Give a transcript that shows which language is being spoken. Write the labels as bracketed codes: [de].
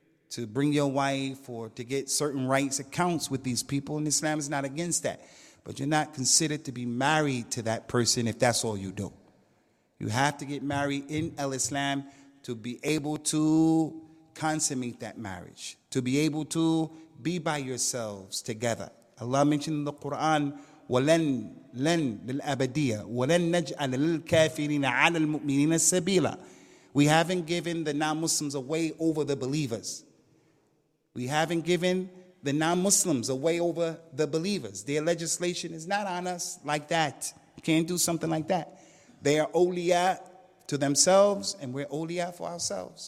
[en] to bring your wife or to get certain rights that counts with these people, and Islam is not against that. But you're not considered to be married to that person if that's all you do. You have to get married in al-Islam to be able to consummate that marriage, to be able to be by yourselves together. Allah mentioned in the Quran, [ar] وَلَنْ لِلْأَبَدِيَّ وَلَنْ نَجْعَلَ لِلْكَافِرِينَ عَلَى الْمُؤْمِنِينَ السَّبِيلَ. [en] We haven't given the non-Muslims a way over the believers. We haven't given the non-Muslims a way over the believers. Their legislation is not on us like that. You can't do something like that. They are awliya to themselves, and we're awliya for ourselves.